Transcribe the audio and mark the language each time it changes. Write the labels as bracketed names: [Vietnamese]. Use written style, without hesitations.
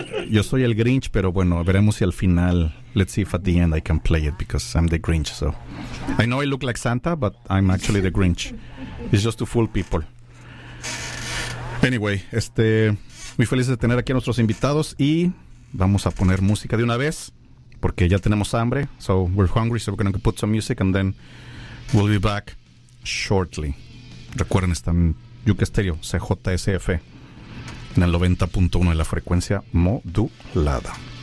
[Spanish] Yo soy el Grinch, pero bueno, veremos si al final. [English] Let's see if at the end I can play it because I'm the Grinch. So I know I look like Santa, but I'm actually the Grinch. It's just to fool people. Anyway, [Spanish] muy feliz de tener aquí a nuestros invitados y vamos a poner música de una vez. Porque ya tenemos hambre, [English] so we're hungry, so we're going to put some music and then we'll be back shortly. [Spanish] Recuerden, están Yuka Stereo, CJSF, en el 90.1 de la frecuencia modulada.